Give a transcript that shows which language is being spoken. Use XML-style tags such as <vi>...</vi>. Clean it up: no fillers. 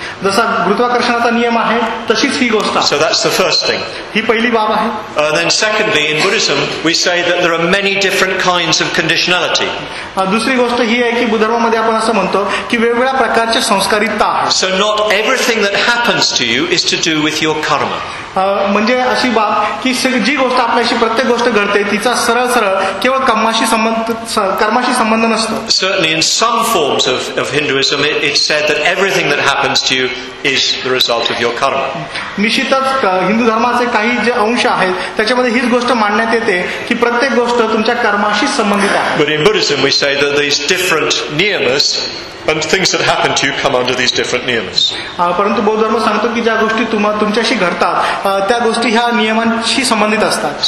<mr>जसा गुरुत्वाकर्षणाचा नियम आहे तशीच ही गोष्ट.</mr> <en>So that's the first thing.</en> <mr>ही पहिली बाब आहे.</mr> <en>Then secondly, in Buddhism we say that there are many different kinds of conditionality.</en> <mr>दुसरी गोष्ट ही आहे की बुद्ध धर्मामध्ये आपण असं असं म्हणतो की वेगवेगळ्या प्रकारचे संस्कार इतर.</mr> <en>So not everything that happens to you is to do with your karma.</en> <mr>म्हणजे अशी बाब की जी गोष्ट आपल्याशी प्रत्येक गोष्ट घडते तिचा सरळ सरळ केवळ कर्माशी संबंध नसतो.</mr> <en>Certainly in some forms of Hinduism it said that everything that happens to you is the result of your karma.</en> <mr>निश्चितच हिंदू धर्माचे काही जे अंश आहेत त्याच्यामध्ये हीच गोष्ट मानण्यात येते की प्रत्येक गोष्ट तुमच्या कर्माशी संबंधित आहे.</mr> <en>But in Buddhism we say that there is different niyamas and things that happen to you come under these different niyamas.</en> <mr>परंतु बौद्ध धर्म सांगतो की ज्या गोष्टी तुमच्याशी घडतात त्या गोष्टी ह्या नियमांशी संबंधित असतात.</mr>